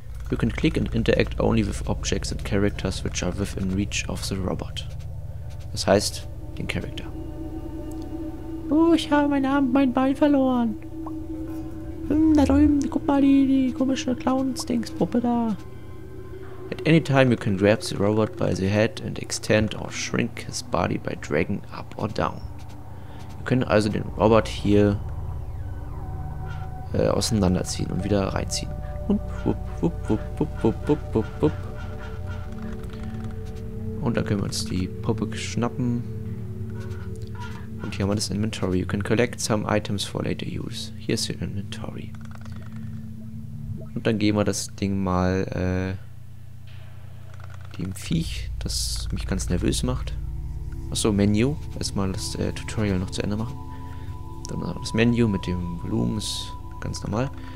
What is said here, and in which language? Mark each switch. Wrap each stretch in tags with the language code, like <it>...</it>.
<en>You can click and interact only with objects and characters which are within reach of the robot.</en> <de>Das heißt, den Charakter. Oh, ich habe meinen Arm, mein Bein verloren. Hm, da drüben, guck mal, die komische Clowns-Dings-Puppe da.</de> <en>At any time you can grab the robot by the head and extend or shrink his body by dragging up or down.</en> <de>Wir können also den Robot hier auseinanderziehen und wieder reinziehen. Und dann können wir uns die Puppe schnappen. Und hier haben wir das Inventory.</de> <en>You can collect some items for later use.</en> <de>Hier ist</de> <en>your Inventory.</en> <de>Und dann geben wir das Ding mal dem Viech, das mich ganz nervös macht. Achso, Menu. Erstmal das Tutorial noch zu Ende machen. Dann das Menu mit dem Blooms. Ganz normal.</de>